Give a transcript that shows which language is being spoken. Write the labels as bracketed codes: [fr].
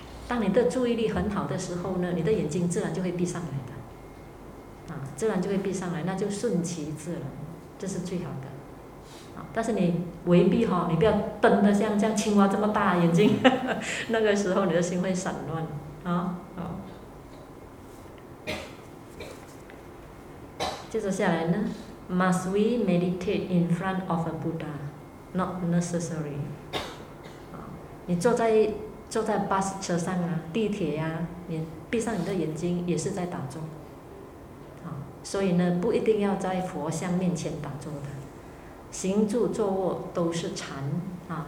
[zh] 当你的注意力很好的时候呢，你的眼睛自然就会闭上来的啊，自然就会闭上来，那就顺其自然，这是最好的啊。但是你微闭哈，你不要瞪得像青蛙这么大眼睛，那个时候你的心会散乱啊。接着下来呢， [en] must we meditate in front of a Buddha? Not necessary. [zh] 你坐在巴士车上啊，地铁啊，你闭上你的眼睛也是在打坐。所以呢，不一定要在佛像面前打坐的，行住坐卧都是禅啊。